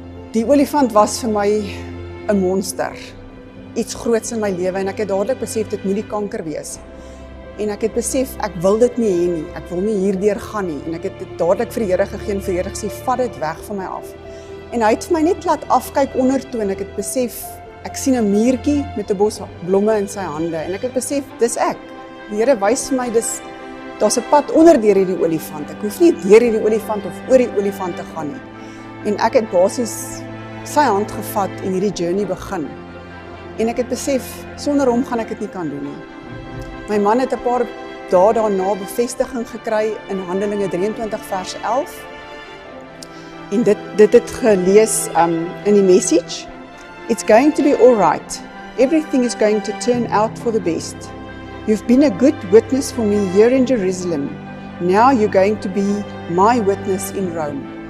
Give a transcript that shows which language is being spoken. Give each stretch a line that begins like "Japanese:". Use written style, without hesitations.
Afrikaans: Die olifant was vir my 'n monster. Iets groots in my lewe en ek het dadelik besef dit moet die kanker wees. En ek het besef ek wil dit nie hê nie. Ek wil nie hierdeur gaan nie en ek het dit dadelik vir die Here gegee en vir die Here gesê, "Vat dit weg van my af." En hy het vir my net laat afkyk ondertoon. Ek het besef, ek sien 'n muurtjie met 'n bos blomme in sy hande en ek het besef, dis ek. Die Here wys vir my dis daar's 'n pad onder deur hierdie olifant. Ek hoef nie deur hierdie olifant of oor die olifant te gaan nie. En ek het basies sy hand gevat en hierdie journey begin. En ek het besef, sonder hom gaan ek dit nie kan doen nie. My man het 'n paar dae daarna bevestiging gekry in Handelinge 23 vers 11. En dit het gelees in die message.
English: It's going to be all right. Everything is going to turn out for the best. You've been a good witness for me here in Jerusalem. Now you're going to be my witness in Rome.